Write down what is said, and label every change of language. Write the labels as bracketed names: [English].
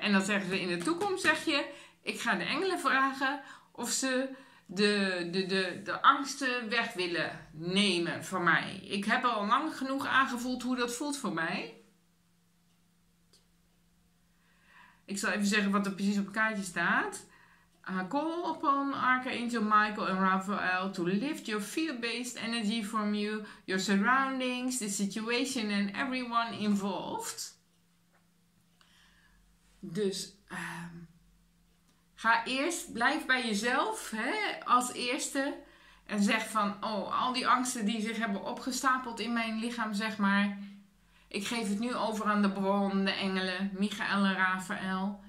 [Dutch] En dan zeggen ze in de toekomst, zeg je, ik ga de engelen vragen of ze de angsten weg willen nemen van mij. Ik heb al lang genoeg aangevoeld hoe dat voelt voor mij. Ik zal even zeggen wat er precies op het kaartje staat. [English] Call upon Archangel Michael and Raphael to lift your fear-based energy from you, your surroundings, the situation and everyone involved. [Dutch] Dus ga eerst, blijf bij jezelf, hè, als eerste. En zeg van, oh, al die angsten die zich hebben opgestapeld in mijn lichaam, zeg maar. Ik geef het nu over aan de bron, de engelen, Michael en Raphaël.